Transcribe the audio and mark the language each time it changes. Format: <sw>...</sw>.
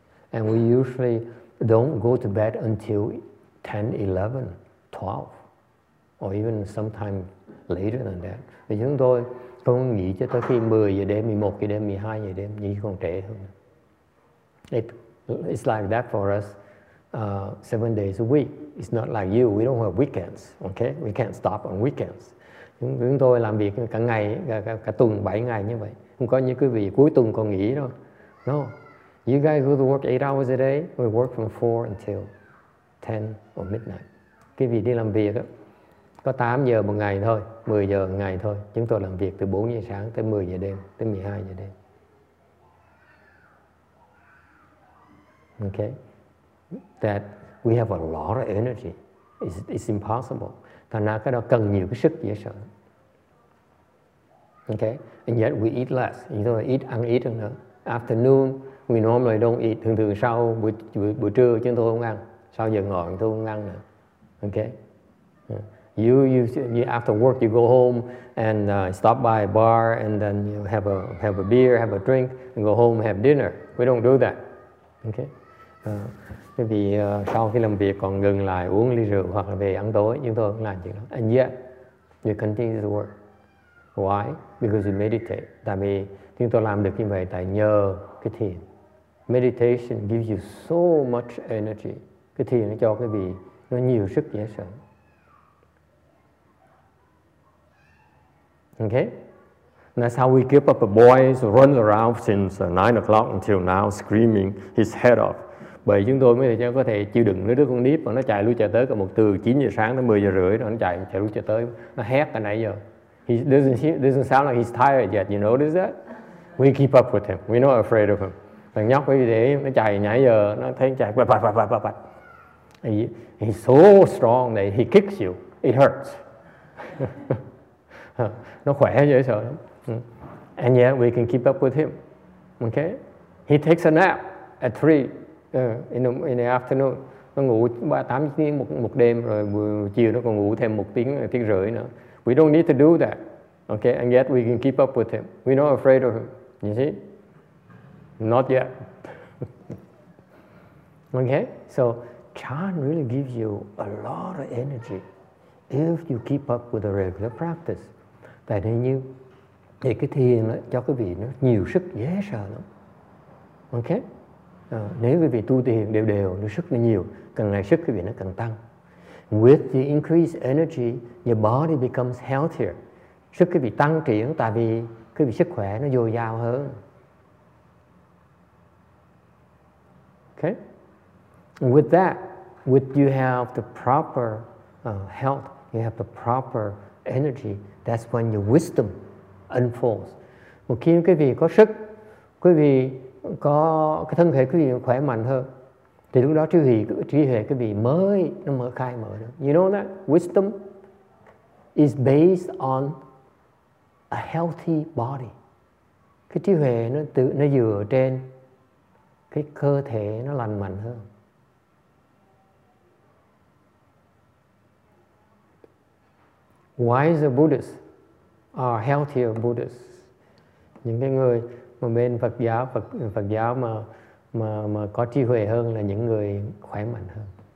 <en>And we usually don't go to bed until 10, 11, 12, or even sometime later than that.</en> <vi>Vì chúng tôi không nghỉ cho tới khi 10 giờ đêm, 11 giờ đêm, 12 giờ đêm, nghỉ còn trễ hơn.</vi> <en>It's like that for us. 7 days a week. It's not like you. We don't have weekends. Okay? We can't stop on weekends.</en> <vi>Chúng tôi làm việc cả ngày, cả tuần 7 ngày như vậy. Không có như quý vị cuối tuần còn nghỉ đâu.</vi> <en>No. You guys go to work 8 hours a day. We work from 4 until 10 or midnight.</en> <vi>Quý vị đi làm việc đó, có 8 giờ một ngày thôi, 10 giờ một ngày thôi. Chúng tôi làm việc từ 4 giờ sáng tới 10 giờ đêm, tới 12 giờ đêm.</vi> <en>Okay? That we have a lot of energy. It's impossible.</en> <vi>Thành ra cái đó cần nhiều cái sức dễ sợ.</vi> <en>Okay? And yet we eat less. You know,</en> <vi>ít hơn nữa.</vi> <en>Afternoon, we normally don't eat.</en> <vi>Thường thường sau buổi trưa chúng tôi không ăn. Sau giờ ngọ chúng tôi không ăn nữa.</vi> <en>Okay? You after work, you go home and stop by a bar and then you have a beer, have a drink, and go home and have dinner. We don't do that. Okay?</en> <vi>Bởi vì sau khi làm việc còn ngừng lại uống ly rượu hoặc là về ăn tối, nhưng tôi không làm chuyện đó.</vi> <en>And yet, you continue to work. Why? Because you meditate.</en> <vi>Tại vì chúng tôi làm được như vậy tại nhờ cái thiền.</vi> <en>Meditation gives you so much energy.</en> <vi>Cái thiền nó cho cái vị nó nhiều sức dễ sợ.</vi> <en>Okay? That's how we keep up a boy who runs around since 9 o'clock until now screaming his head off.</en> <vi>Bởi chúng tôi mới có thể chịu đựng đứa con nít mà nó chạy lui chạy tới cả một từ 9 giờ sáng tới 10 giờ rưỡi rồi nó chạy lui chạy tới, nó hét cả nãy giờ.</vi> <en>He doesn't sound like he's tired yet, you notice that? We keep up with him, we're not afraid of him.</en> <vi>Thằng nhóc quý vị để nó chạy nãy giờ, nó thấy nó chạy bạch.</vi> <en>He's so strong that he kicks you, it hurts.</en> <vi>Nó khỏe dễ sợ lắm.</vi> <en>And yet we can keep up with him, okay? He takes a nap at 3. In the afternoon,</en> <vi>nó ngủ 8 tiếng một đêm, rồi chiều nó còn ngủ thêm một tiếng rưỡi nữa.</vi> <en>We don't need to do that, okay? And yet we can keep up with him. We're not afraid of him, you see? Not yet. Okay? So, chan really gives you a lot of energy if you keep up with the regular practice.</en> <vi>Tại thế như, thì cái thiền đó, cho quý vị nó nhiều sức dễ sợ lắm. Okay? Nếu quý vị tu thiền đều đều, nó sức nó nhiều, càng ngày sức quý vị nó càng tăng.</vi> <en>With the increased energy, your body becomes healthier.</en> <vi>Sức quý vị tăng triển tại vì quý vị sức khỏe nó dồi dào hơn.</vi> <en>Okay? With that, with you have the proper health, you have the proper energy, that's when your wisdom unfolds.</en> <vi>Một khi quý vị có sức, quý vị có cái thân thể quý vị khỏe mạnh hơn, thì lúc đó trí huệ quý vị mới nó mở khai mở được.</vi> <en>You know that wisdom is based on a healthy body.</en> <vi>Cái trí huệ nó dựa trên cái cơ thể nó lành mạnh hơn.</vi> <en>Wiser Buddhists are healthier Buddhists.</en> <vi>Những cái người mà bên Phật giáo mà có trí huệ hơn là những người khỏe mạnh hơn.</vi>